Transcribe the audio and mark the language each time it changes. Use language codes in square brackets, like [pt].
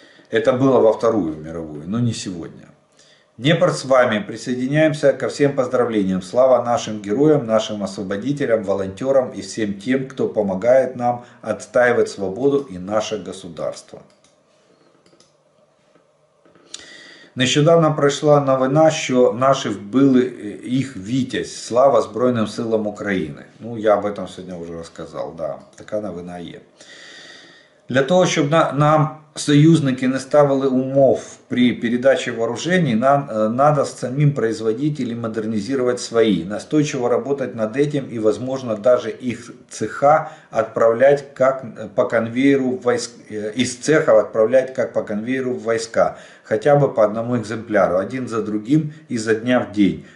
[ru] Это было во Вторую мировую, но не сегодня. Днепр с вами. Присоединяемся ко всем поздравлениям. Слава нашим героям, нашим освободителям, волонтерам и всем тем, кто помогает нам отстаивать свободу и наше государство. [uk] Нещодавно прийшла новина, що наші вбили їх вітязь. Слава Збройним силам України. [ru] Ну, я об этом [uk] сьогодні вже розказав. Да, така новина є. Для того, щоб нам союзники не ставили умов [ru] при передаче вооружений, нам надо самим производить или модернизировать свои, настойчиво работать над этим и, возможно, даже их цеха отправлять как по конвейеру из цехов отправлять как по конвейеру в войска, хотя бы по одному экземпляру, один за другим, изо дня в день.